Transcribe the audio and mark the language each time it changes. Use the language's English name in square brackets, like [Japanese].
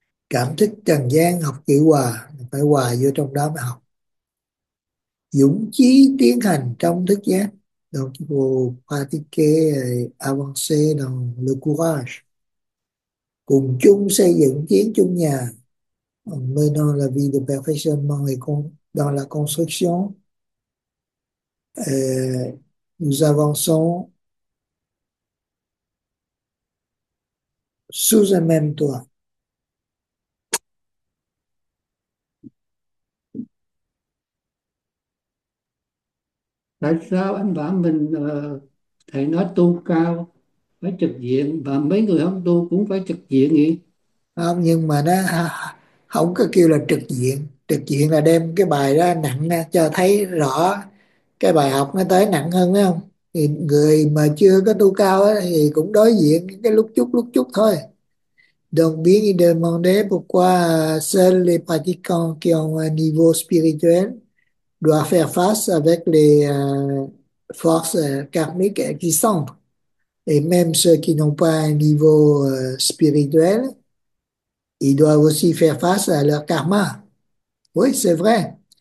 [Vietnamese] Cảm thức trần gian học kỹ hòa, phải hòa vô trong đó mà học. Dũng chí tiến hành trong thức giác. [French] Donc, vous pratiquez avancer dans le courage. [Vietnamese] Cùng chung xây dựng chiến chung nhà. [French] Menant la vie de perfectionnement dans la construction. Nous avançons sous un même toit. [Vietnamese] Tại sao anh bảo mình thầy nói tu cao phải trực diện và mấy người không tu cũng phải trực diện nhỉ? Không, nhưng mà nó không có kêu là trực diện là đem cái bài ra nặng ra cho thấy rõ cái bài học nó tới nặng hơn đó không, thì người mà chưa có tu cao đó, thì cũng đối diện cái lúc chút thôi. [French] Donc, bien demandé pourquoi seuls les pratiquants qui ont un niveau spirituel doivent faire face avec les forces karmiques existantes. Et même ceux qui n'ont pas un niveau spirituel, ils doivent aussi faire face à leur karma. Oui, c'est vrai.